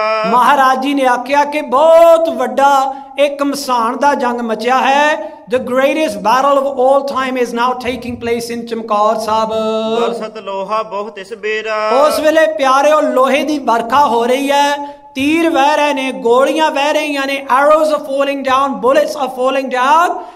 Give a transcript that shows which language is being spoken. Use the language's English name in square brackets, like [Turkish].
[Punjabi] ਮਹਾਰਾਜ ਜੀ ਨੇ ਆਖਿਆ ਕਿ ਬਹੁਤ ਵੱਡਾ ਇੱਕ ਮਸਾਨ ਦਾ ਜੰਗ ਮਚਿਆ ਹੈ। [English] The greatest battle of all time is now taking place in Chamkaur Sahib. [Punjabi] ਬਰਸਤ ਲੋਹਾ ਬਹੁਤ ਇਸ ਬੇਰਾ। ਉਸ ਵੇਲੇ ਪਿਆਰਿਓ ਲੋਹੇ ਦੀ ਵਰਖਾ ਹੋ ਰਹੀ ਹੈ, ਤੀਰ ਵਹਿ ਰਹੇ ਨੇ, ਗੋਲੀਆਂ ਵਹਿ ਰਹੀਆਂ ਨੇ, [English] arrows are falling down, bullets are falling down.